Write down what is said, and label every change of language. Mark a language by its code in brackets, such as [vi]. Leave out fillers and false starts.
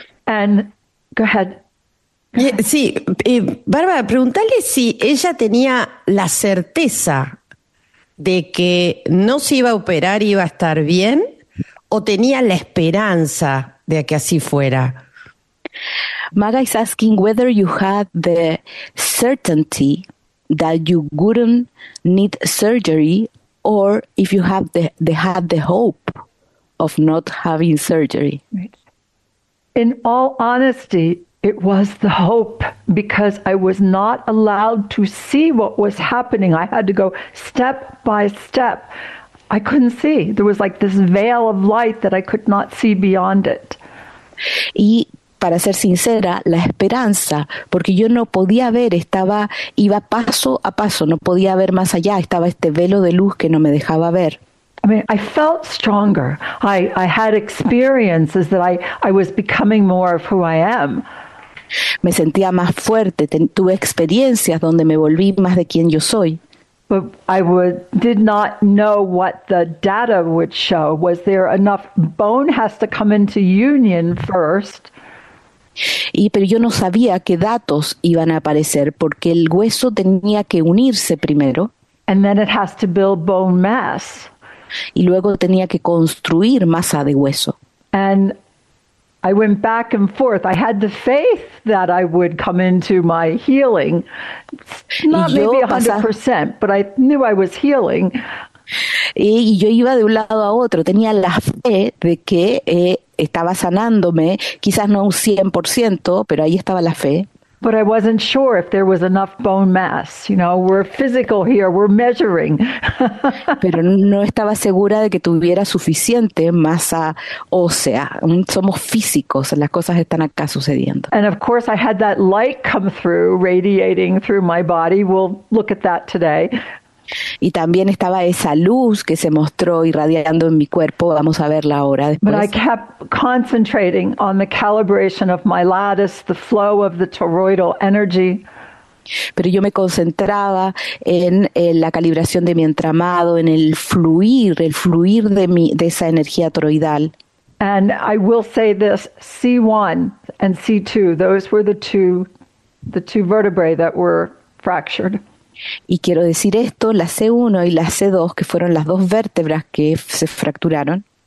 [en] And go ahead. [es] Sí, Bárbara, preguntale si ella tenía la certeza de que no se iba a operar y iba a estar bien, o tenía la esperanza de que así fuera. [en] Maga is asking whether you had the certainty that you wouldn't need surgery, or if you have the had the hope of not having surgery. In all honesty, it was the hope, because I was not allowed to see what was happening. I had to go step by step. I couldn't see. There was like this veil of light that I could not see beyond it. [es] Y para ser sincera, la esperanza, porque yo no podía ver, iba paso a paso, no podía ver más allá, estaba este velo de luz que no me dejaba ver. [en] I mean, I felt stronger. I had experiences that I was becoming more of who I am. [es] Me sentía más fuerte, tuve experiencias donde me volví más de quien yo soy. [en] But did not know what the data would show. Was there enough bone has to come into union first? [es] Pero yo no sabía qué datos iban a aparecer, porque el hueso tenía que unirse primero. [en] And then it has to build bone mass. [es] Y luego tenía que construir masa de hueso. [en] And I went back and forth. I had the faith that I would come into my healing. Not maybe 100%, but I knew I was healing. [es] Y yo iba de un lado a otro. Tenía la fe de que estaba sanándome. Quizás no un 100%, pero ahí estaba la fe. [en] But I wasn't sure if there was enough bone mass. You know, we're physical here. We're measuring. [es] Pero no estaba segura de que tuviera suficiente masa ósea. Somos físicos. Las cosas están acá sucediendo. [en] And of course, I had that light come through, radiating through my body. We'll look at that today. [es] Y también estaba esa luz que se mostró irradiando en mi cuerpo. Vamos a verla ahora después. [en] But I kept concentrating on the calibration of my lattice, the flow of the toroidal energy. [es] Pero yo me concentraba en la calibración de mi entramado, en el fluir de esa energía toroidal. [en] And I will say this, C1 and C2, those were the two vertebrae that were fractured. [es] Y quiero decir esto, la C1 y la C2, que fueron las dos vértebras que se fracturaron.